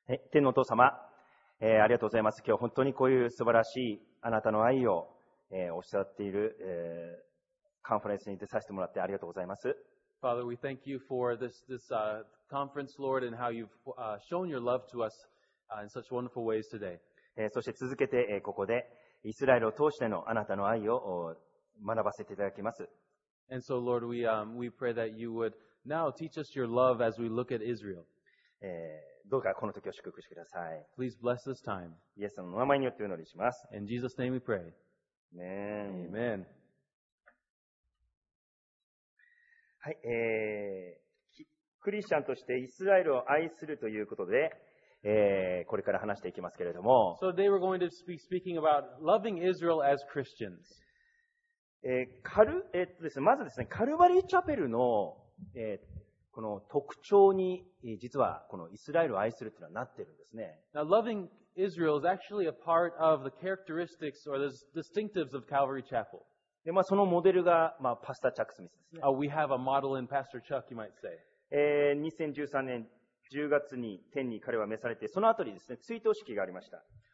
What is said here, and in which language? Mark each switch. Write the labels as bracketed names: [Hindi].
[Japanese] 天のお父様、ありがとうございます。今日本当にこういう素晴らしいあなたの愛を、おっしゃっている、カンファレンスに出させてもらってありがとうございます。 [English] Father, we thank you for this conference, Lord, and how you've shown your love to us in such wonderful ways today。 [Japanese] そして続けて、ここでイスラエルを通してのあなたの愛を学ばせていただきます。 [English] And so Lord, we pray that you would now teach us your love as we look at Israel。 [Japanese] どうかこの時を祝福してください。 [English] Please bless this time。 [Japanese] イエスの名前によってお祈りします。 [English] In Jesus name we pray。 Amen。 Amen。 [Japanese] はい、クリスチャンとしてイスラエルを愛するということで、これから話していきますけれども、 [English] So they were going to be speaking about loving Israel as Christians。 [Japanese] ですね、まずですね、カルバリーチャペルの、この特徴に、実はこのイスラエルを愛するというのはなっているんですね。 [English] Now loving Israel is actually a part of the characteristics or the distinctives of Calvary Chapel。 [Japanese] で、まあそのモデルが、まあパスター・チャック・スミスですね。 [English] We have a model in Pastor Chuck, you might say。 [Japanese] 2013年10月に天に彼は召されて、その後にですね、追悼式がありました。